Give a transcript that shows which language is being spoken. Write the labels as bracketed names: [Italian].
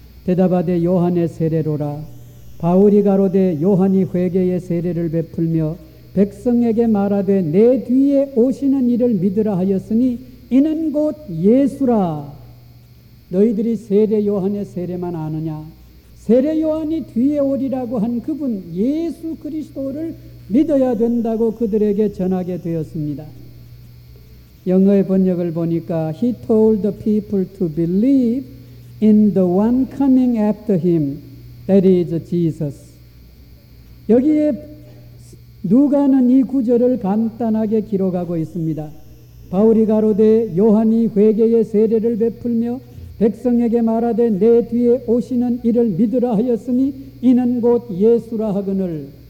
[Korean] 대답하되 요한의 세례로라. 바울이 가로되 요한이 회개의 세례를 베풀며 백성에게 말하되 내 뒤에 오시는 이를 믿으라 하였으니 이는 곧 예수라. 너희들이 세례 요한의 세례만 아느냐? 세례 요한이 뒤에 오리라고 한 그분 예수 그리스도를 믿어야 된다고 그들에게 전하게 되었습니다. 영어의 번역을 보니까 [English] He told the people to believe in the one coming after him, that is Jesus. [Korean] 여기에 누가는 이 구절을 간단하게 기록하고 있습니다. 바울이 가로되 요한이 회개의 세례를 베풀며 백성에게 말하되 내 뒤에 오시는 이를 믿으라 하였으니 이는 곧 예수라 하거늘.